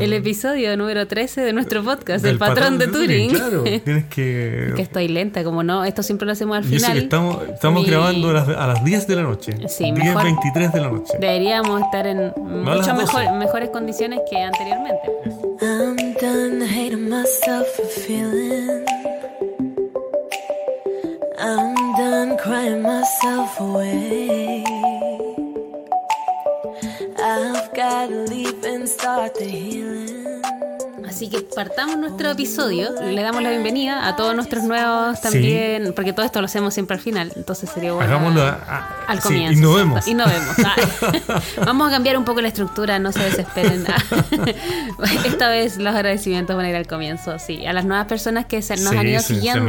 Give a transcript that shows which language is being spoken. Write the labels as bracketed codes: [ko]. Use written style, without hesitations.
[es] El episodio número 13 de nuestro podcast, El Patrón de Turing. Claro, tienes que... Que estoy lenta, como no, esto siempre lo hacemos al final. Y eso que estamos grabando a las 10 de la noche. Sí, 10:23 de la noche. Deberíamos estar en mucho mejores condiciones que anteriormente. [en] I'm done hating myself for feeling. I'm done crying myself away. I've got to leave and start the healing. [es] Así que partamos nuestro episodio, le damos la bienvenida a todos nuestros nuevos también, sí. Porque todo esto lo hacemos siempre al final, entonces sería bueno al comienzo. Sí, innovemos. ¿Sí? Innovemos. Vamos a cambiar un poco la estructura, no se desesperen. Esta vez los agradecimientos van a ir al comienzo, sí. A las nuevas personas que nos han ido siguiendo.